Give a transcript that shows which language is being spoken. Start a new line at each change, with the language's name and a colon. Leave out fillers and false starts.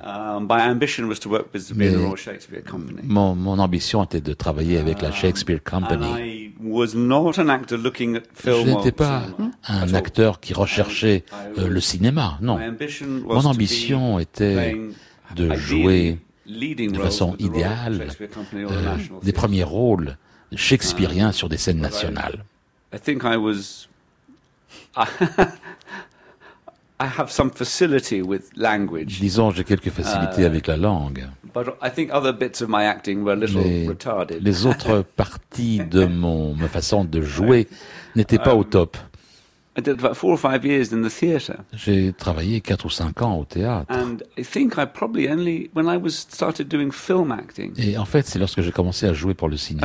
English: My ambition was to work with the Royal Shakespeare Company.
French: Mon ambition était de travailler avec la Shakespeare Company.
English: And I was not an actor looking at film.
French: Je n'étais pas un acteur qui recherchait le cinéma, non. Mon ambition était de jouer de façon idéale des premiers rôles shakespeariens sur des scènes nationales.
English: I think I was I have some facility with language.
French: Disons, j'ai quelques facilités avec la langue.
English: But I think other bits of my acting were a little retarded.
French: Les autres parties de ma façon de jouer n'étaient pas au top.
English: I did about 4 or 5 years in the theater.
French: J'ai travaillé 4 ou 5 ans au théâtre.
English: And I think I probably only when I was started doing film acting.
French: Et en fait, c'est lorsque j'ai commencé à jouer pour le cinéma.